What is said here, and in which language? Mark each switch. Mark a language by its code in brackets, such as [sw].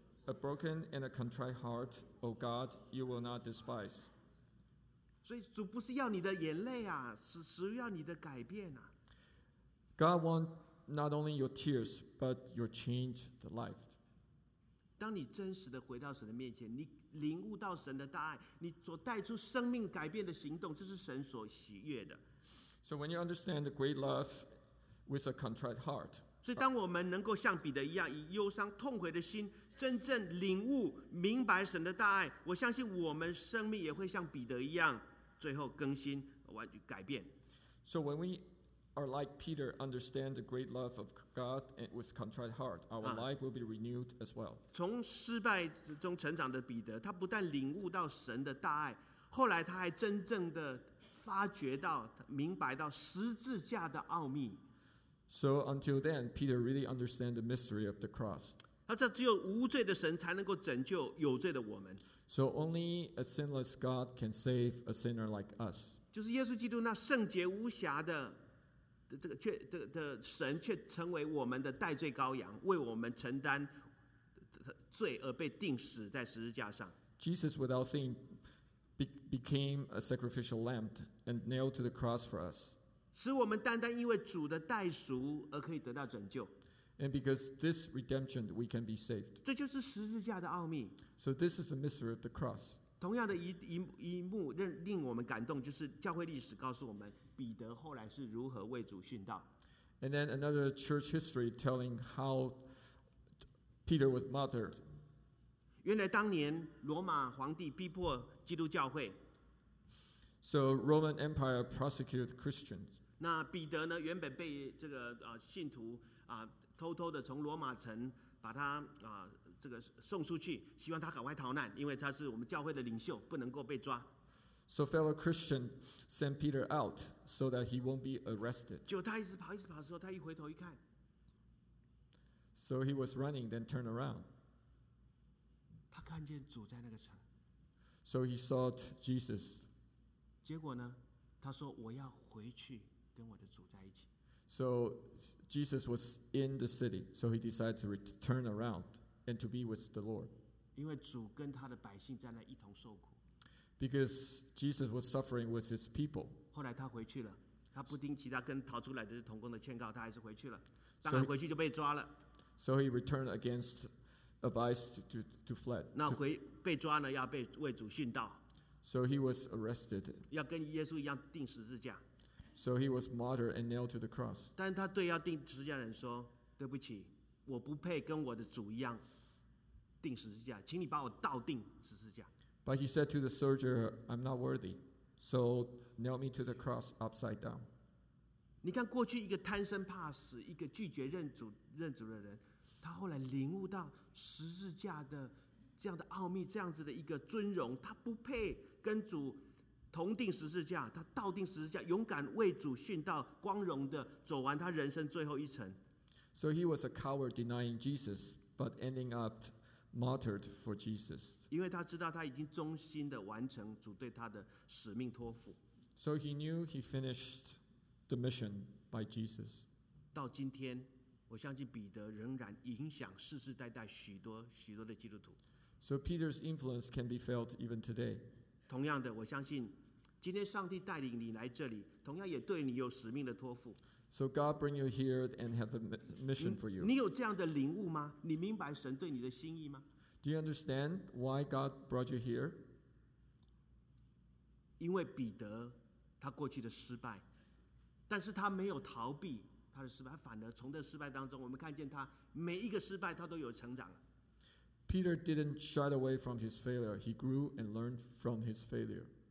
[en] A broken and a contrite heart, O God, you will not despise. [zh] 所以主不是要你的眼泪啊，是只要你的改变啊。 [en] God wants not only your tears, but your changed life. [zh] 当你真实的回到神的面前，你领悟到神的大爱，你所带出生命改变的行动，这是神所喜悦的。 [en] So when you understand the great love with a contrite heart. [zh] 所以当我们能够像彼得一样，以忧伤痛悔的心。真正领悟明白神的大爱，我相信我们生命也会像彼得一样，最后更新完改变。 [en] So when we are like Peter, understand the great love of God and with contrite heart, our life will be renewed as well. [zh] 从失败中成长的彼得，他不但领悟到神的大爱，后来他还真正的发觉到、明白到十字架的奥秘。 [en] So until then, Peter really understand the mystery of the cross. [zh] 那这只有无罪的神才能够拯救有罪的我们。 [en] So only a sinless God can save a sinner like us. [zh] 就是耶稣基督那圣洁无瑕的这个却这的神却成为我们的代罪羔羊，为我们承担罪而被钉死在十字架上。 [en] Jesus without sin became a sacrificial lamb and nailed to the cross for us. [zh] 使我们单单因为主的代赎而可以得到拯救。 [en] And because this redemption, we can be saved. [zh] 这就是十字架的奥秘。 [en] So this is the mystery of the cross. [zh] 同样的一幕令我们感动，就是教会历史告诉我们彼得后来是如何为主殉道。 [en] And then another church history telling how Peter was martyred. [zh] 原来当年罗马皇帝逼迫基督教会。 [en] So Roman Empire persecuted Christians. [zh] 那彼得呢，原本被这个信徒偷偷的从罗马城把他这个送出去，希望他赶快逃难，因为他是我们教会的领袖，不能够被抓。 [en] So fellow Christian sent Peter out so that he won't be arrested. [zh] 就他一直跑，一直跑的时候，他一回头一看。 [en] So he was running, then turned around. [zh] 他看见主在那个城。 [en] So he saw Jesus. [zh] 结果呢，他说我要回去跟我的主在一起。 [en] So Jesus was in the city, so he decided to turn around and to be with the Lord. [zh] 因为主跟他的百姓在那一同受苦。 [en] Because Jesus was suffering with his people. [zh] 后来他回去了，他不听其他跟逃出来的同工的劝告，他还是回去了。当然回去就被抓了。 [en] So he returned against advice to fled. [zh] 那回被抓呢，要被为主殉道。 [en] So he was arrested. [zh] 要跟耶稣一样钉十字架。 [en] So he was martyred and nailed to the cross. [zh] 但他对要钉十字架的人说：“对不起，我不配跟我的主一样钉十字架，请你把我倒钉十字架。” [en] But he said to the soldier, "I'm not worthy, so nail me to the cross upside down." [zh] 你看过去一个贪生怕死、一个拒绝认主的人，他后来领悟到十字架的这样的奥秘、这样子的一个尊荣，他不配跟主同钉十字架，他倒钉十字架，勇敢为主殉道，光荣的走完他人生最后一程。 [en] So he was a coward denying Jesus, but ending up martyred for Jesus. [zh] 因为他知道他已经忠心的完成主对他的使命托付。 [en] So he knew he finished the mission by Jesus. [zh] 到今天，我相信彼得仍然影响世世代代许多许多的基督徒。 [en] So Peter's influence can be felt even today. [zh] 同样的，我相信今天上帝带领你来这里，同样也对你有使命的托付。 [en] So God bring you here and have a mission for you. [zh] 你有这样的领悟吗？你明白神对你的心意吗？ [en] Do you understand why God brought you here? [zh] 因为彼得他过去的失败，但是他没有逃避他的失败，反而从这失败当中，我们看见他每一个失败他都有成长。 [en] Peter didn't shy away from his failure. He grew and learned from his failure.